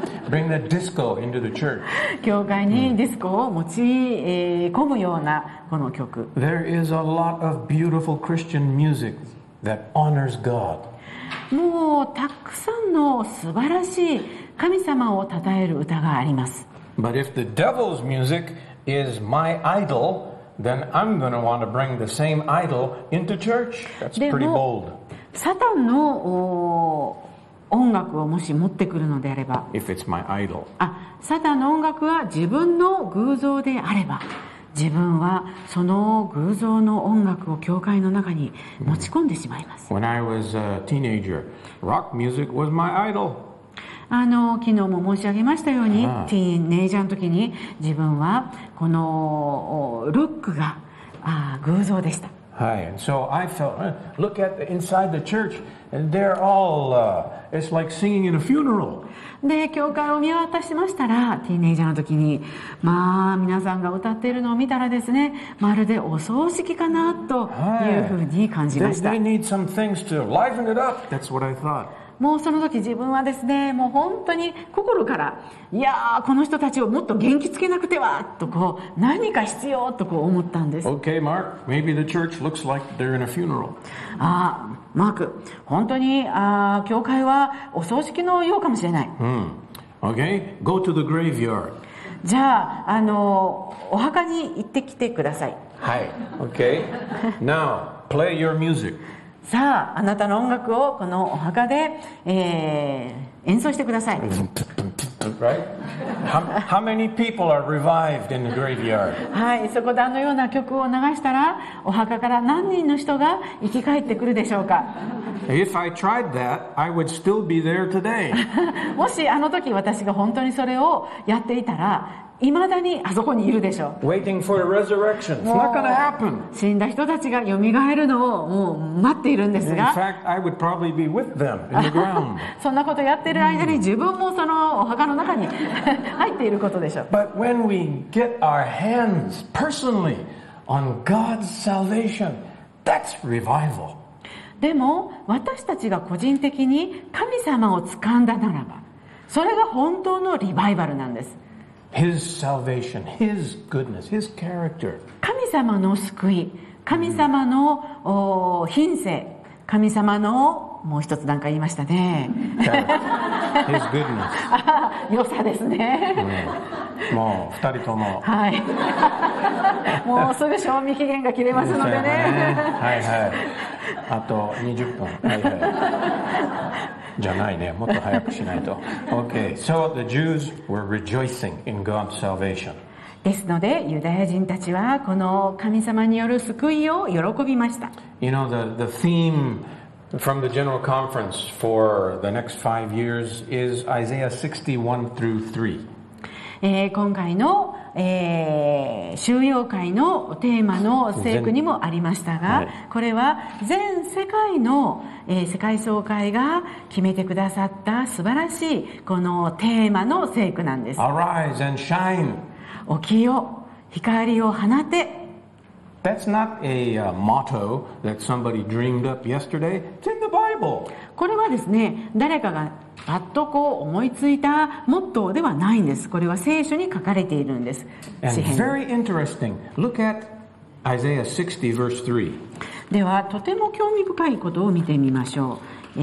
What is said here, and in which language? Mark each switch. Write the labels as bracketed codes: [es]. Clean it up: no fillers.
[en] Bring the disco into the church. [ja] 教会にディスコを持ち込むようなこの曲。 [en] There is a lot of beautiful Christian musicThat honors God. [ja] もうたくさんの素晴らしい神様を称える歌があります。 [en] But if the devil's music is my idol, then I'm going to want to bring the same idol into church. That's pretty bold. [ja] サタンの音楽をもし持ってくるのであれば、 [en] If it's my idol. [ja] あ、サタンの音楽は自分の偶像であれば、自分はその偶像の音楽を教会の中に持ち込んでしまいます。 [en] When I was a teenager, rock music was my idol. [ja] 昨日も申し上げましたように、ティーネイジャーの時に自分はこのロックが偶像でした。はい。 [en] And so I felt, look at the, inside the church, and they're all, it's like singing in a funeral. [ja] で教会を見渡しましたら、ティーネイジャーの時に、まあ皆さんが歌っているのを見たらですね、まるでお葬式かなというふうに感じました。 [en] They need some things to liven it up. That's what I thought. [ja] もうその時自分はですね、もう本当に心から、いやー、この人たちをもっと元気つけなくてはと、こう何か必要とこう思ったんです。 [en] Okay, Mark, maybe the church looks like they're in a funeral. [ja] マーク、本当に教会はお葬式のようかもしれない。 [en] Okay, go to the graveyard. [ja] じゃあお墓に行ってきてください。はい。 [en] Okay. Now, play your music. [ja] さあ、あなたの音楽をこのお墓で、演奏してください。 [en] Right? How many people are revived in the graveyard? [ja] はい、そこであのような曲を流したら、お墓から何人の人が生き返ってくるでしょうか。 [en] If I tried that, I would still be there today. [ja] もしあの時私が本当にそれをやっていたら、いまだにあそこにいるでしょう。 [en] Waiting for a resurrection. It's not going to happen. [ja] 死んだ人たちがよみがえるのをもう待っているんですが。 [en] In fact, I would probably be with them in the ground. [ja] そんなことやってる間に自分もそのお墓の中に入っていることでしょう。 [en] But when we get our hands personally on God's salvation, that's revival. [ja] でも私たちが個人的に神様を掴んだならば、それが本当のリバイバルなんです。 [en] His salvation, His goodness, His character. [ja] 神様の救い、神様の品性、神様のもう一つなんか言いましたね。 [en] His goodness. [ja] 良さですね。もう二人とも。はい。もうすぐ賞味期限が切れますのでね。はいはい。あと20分。はいはい。じゃないね、もっと早くしないと。 [en] Okay, so the Jews were rejoicing in God's salvation. [ja] ですのでユダヤ人たちはこの神様による救いを喜びました。 [en] You know, the theme from the General Conference for the next five years is Isaiah 61 through 3. [ja] 今回の収容会のテーマの聖句にもありましたが、これは全世界の世界総会が決めてくださった素晴らしいこのテーマの聖句なんです。 [en] Arise and shine. [ja] 起きよ、光を放て。 [en] That's not a motto that somebody dreamed up yesterday. It's in the Bible. [ja] これはですね、誰かがパッとこう思いついたモットーではないんです。これは聖書に書かれているんです。 [en] And very interesting. Look at Isaiah 60 verse 3. [ja] ではとても興味深いことを見てみましょう。